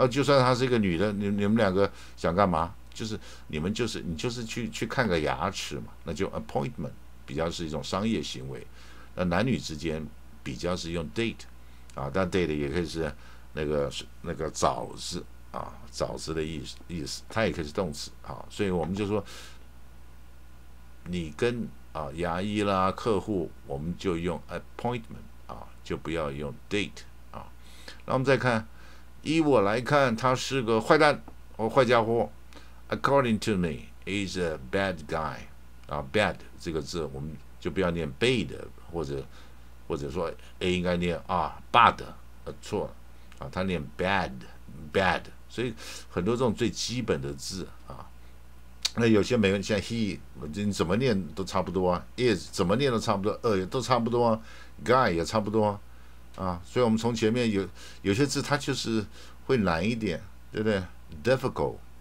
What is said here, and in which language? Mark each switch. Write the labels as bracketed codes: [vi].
[zh] 就算他是一个女的，你们两个想干嘛？就是你们就是你就是去看个牙齿嘛，那就 appointment 比较是一种商业行为，那男女之间比较是用 date 啊，但 date 也可以是那个早字啊，早字的意思，它也可以是动词啊，所以我们就说你跟牙医啦客户，我们就用 appointment 啊，就不要用 date 啊。那我们再看，依我来看，他是个坏蛋或坏家伙。 [en] According to me, he's a bad guy. [zh] Bad 这个字我们就不要念 bad， 或者说 A 应该念bad， 错了，他念 bad， 所以很多这种最基本的字啊，那有些美国人像 he， 你怎么念都差不多啊 ，is 怎么念都差不多，也都差不多啊 ，guy 也差不多啊，所以我们从前面有些字它就是会难一点，对不对 ？difficult。